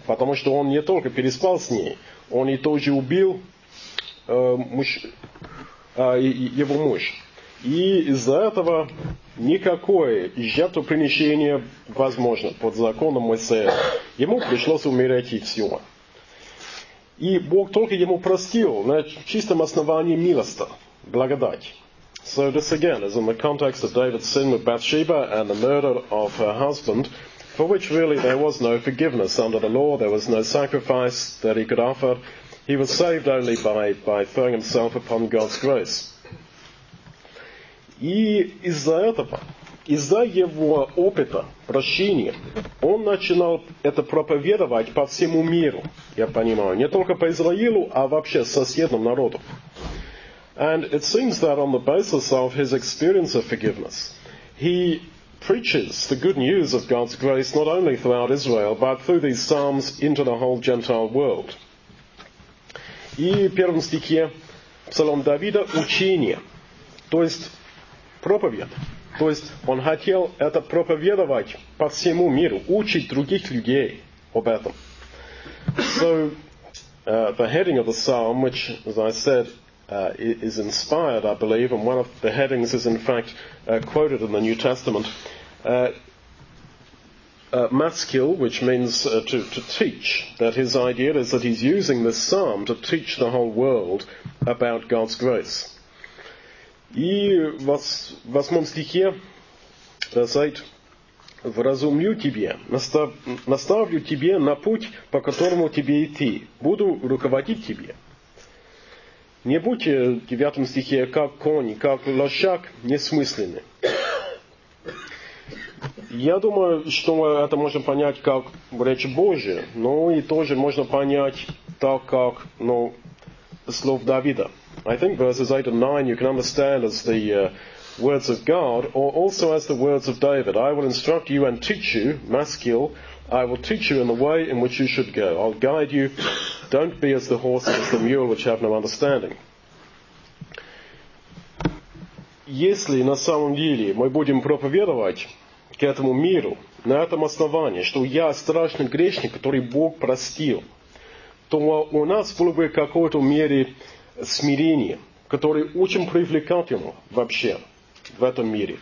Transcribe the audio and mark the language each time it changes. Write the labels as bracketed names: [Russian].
[Russian] Потому что он не только переспал с ней, он и тоже убил его муж. И из-за этого никакое жертвопринесение возможно под законом Моисея. Ему пришлось умереть и все. И Бог только ему простил на чистом основании милости, благодати. [English] So this again is in the context of David's sin with Bathsheba and the murder of her husband, for which really there was no forgiveness under the law, there was no sacrifice that he could offer. He was saved only by throwing himself upon God's grace. [Russian] И из-за этого, из-за его опыта прощения, он начинал это проповедовать по всему миру, я понимаю, не только по Израилю, а вообще соседним народам. [English] And it seems that on the basis of his experience of forgiveness, he preaches the good news of God's grace not only throughout Israel, but through these psalms into the whole Gentile world. [Russian] И в первом стихе псалом Давида учение, то есть проповедь. То есть он хотел это проповедовать по всему миру, учить других людей об этом. [English] So, the heading of the psalm, which, as I said, is inspired, I believe, and one of the headings is, in fact, quoted in the New Testament, maskil, which means to teach, that his idea is that he's using this psalm to teach the whole world about God's grace. [Russian] И в восьмом стихе, [English] verse 8, [Russian] «Вразумлю тебе, наставлю тебе на путь, по которому тебе идти, буду руководить тебе». Не будьте в девятом стихе как конь, как лошак, несмысленны. Я думаю, что это можно понять как речь Божия, но и тоже можно понять так, как, ну, слов Давида. [English] I think verses 8 and 9 you can understand as the words of God, or also as the words of David. I will instruct you and teach you, maskil, I will teach you in the way in which you should go. I'll guide you. Don't be as the horse and as the mule which have no understanding. [Russian] Если на самом деле мы будем проповедовать к этому миру на этом основании, что я страшный грешник, который Бог простил, то у нас было бы в какой-то мере смирение, которое очень привлекательно вообще в этом мире.